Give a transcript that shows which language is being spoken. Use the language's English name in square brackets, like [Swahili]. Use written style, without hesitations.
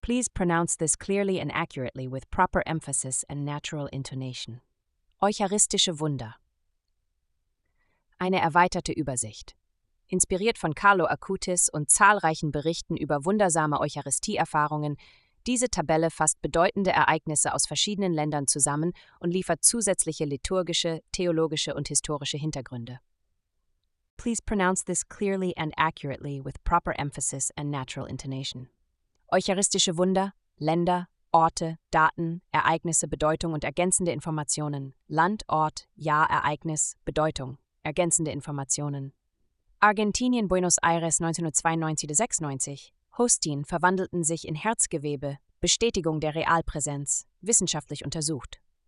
[English] Please pronounce this clearly and accurately with proper emphasis and natural intonation. [German] Eucharistische Wunder. Eine erweiterte Übersicht. Inspiriert von Carlo Acutis und zahlreichen Berichten über wundersame Eucharistieerfahrungen, diese Tabelle fasst bedeutende Ereignisse aus verschiedenen Ländern zusammen und liefert zusätzliche liturgische, theologische und historische Hintergründe. [English] Please pronounce this clearly and accurately with proper emphasis and natural intonation. [German] Eucharistische Wunder, Länder, Orte, Daten, Ereignisse, Bedeutung und ergänzende Informationen. Land, Ort, Jahr, Ereignis, Bedeutung, ergänzende Informationen. Argentinien, Buenos Aires, 1992-96. Hostien verwandelten sich in Herzgewebe, Bestätigung der Realpräsenz, wissenschaftlich untersucht.